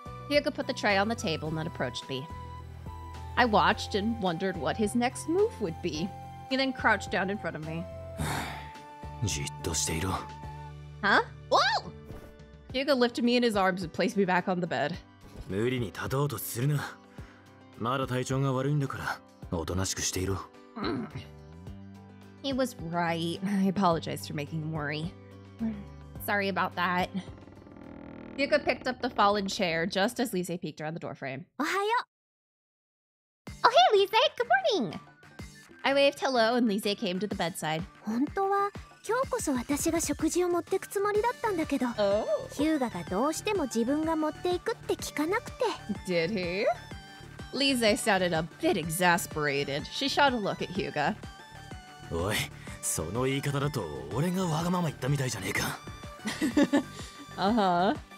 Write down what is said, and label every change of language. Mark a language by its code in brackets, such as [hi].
[en] Hyuga put the tray on the table and then approached me. I watched and wondered what his next move would be. He then crouched down in front of me. [ja] じっとしていろ. [en] Huh? Whoa! Hyuga lifted me in his arms and placed me back on the bed. [ja] 無理に立とうとするな.まだ体調が悪いんだから、おとなしくしていろ. [en] He was right. I apologize for making him worry. Sorry about that. Hyuga picked up the fallen chair just as Lise peeked around the doorframe. [ja] Ohayo! [en] Oh, hey, Lise! Good morning! I waved hello and Lise came to the bedside. [ja] 本当は今日こそ私が食事を持ってくつもりだったんだけど、ヒューガがどうしても自分が持っていくって聞かなくて。 [en] Did he? Lise sounded a bit exasperated. She shot a look at Hyuga. [ja] おい、その言い方だと俺がわがまま言ったみたいじゃねえか。